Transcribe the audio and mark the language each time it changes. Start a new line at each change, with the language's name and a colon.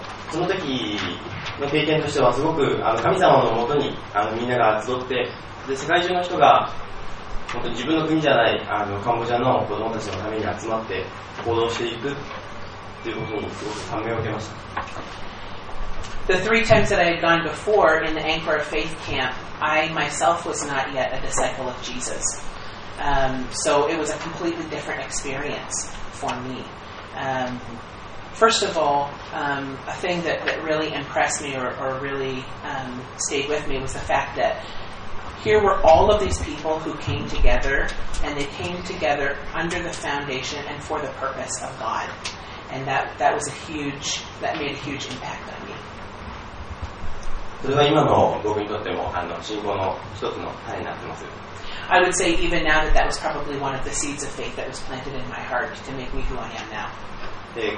Japanese: その時の経験としてはすごく神様のもとにみんなが集って、で世界中の人が本当に自分の国じゃないカンボジアの子供たちのために集まって行動していくということにすごく感銘を受けました。
English: The three times that I had gone before in the Angkor Faith Camp, I myself was not yet a disciple of Jesus. So it was a completely different experience for me. First of all, a thing that really impressed me or really stayed with me was the fact that here were all of these people who came together, and they came together under the foundation and for the purpose of God. And that was that made a huge impact on me.
Japanese: それは今の僕にとっても信仰の一つの種になっています。
English: I would say even now that was probably one of the seeds of faith that was planted in my heart to make me who I am now.